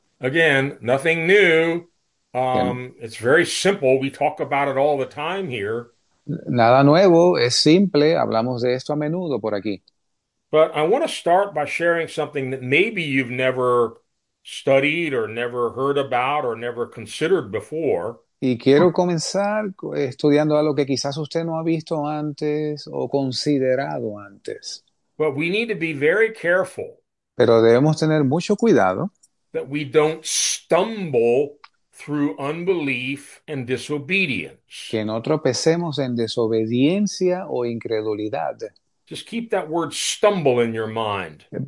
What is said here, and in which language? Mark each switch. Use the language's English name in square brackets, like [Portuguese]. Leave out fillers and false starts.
[English] Again, nothing new. [Spanish] Bien. [English] It's very simple. We talk about it all the time here. [Spanish] Nada nuevo, es simple, hablamos de esto a menudo por aquí. [English] But I want to start by sharing something that maybe you've never studied or never heard about or never considered before. [Spanish] Y quiero comenzar estudiando algo que quizás usted no ha visto antes o considerado antes. [English] But we need to be very careful [Spanish] Pero debemos tener mucho cuidado [English] that we don't stumble through unbelief and disobedience. [Spanish] que no tropecemos en desobediencia o incredulidad. [English] Just keep that word stumble in your mind.